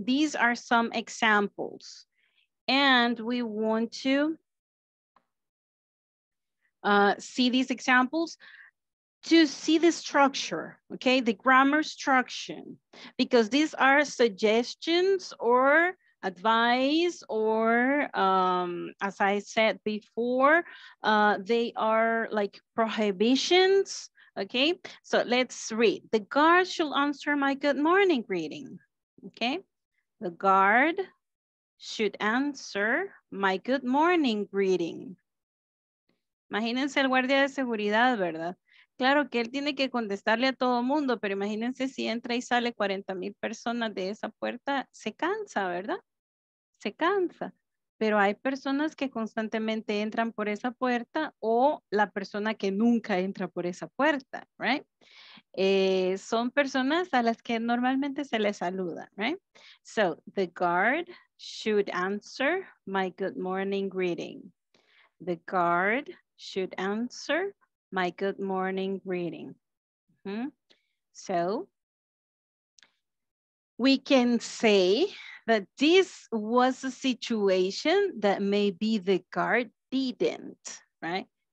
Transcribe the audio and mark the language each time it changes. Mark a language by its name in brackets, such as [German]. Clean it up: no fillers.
[English] These are some examples and we want to see these examples to see the structure, okay, the grammar structure, because these are suggestions or advice or, as I said before, they are like prohibitions, okay? So let's read. The guard shall answer my good morning greeting, okay? The guard should answer my good morning greeting. [Spanish] Imagínense el guardia de seguridad, ¿verdad? Claro que él tiene que contestarle a todo mundo, pero imagínense si entra y sale 40,000 personas de esa puerta, se cansa, ¿verdad? Se cansa. Pero hay personas que constantemente entran por esa puerta o la persona que nunca entra por esa puerta, ¿right? Son personas a las que normalmente se les saluda, ¿right? [English] So, the guard should answer my good morning greeting. The guard should answer my good morning greeting. Mm-hmm. So, we can say that this was a situation that maybe the guard didn't, right?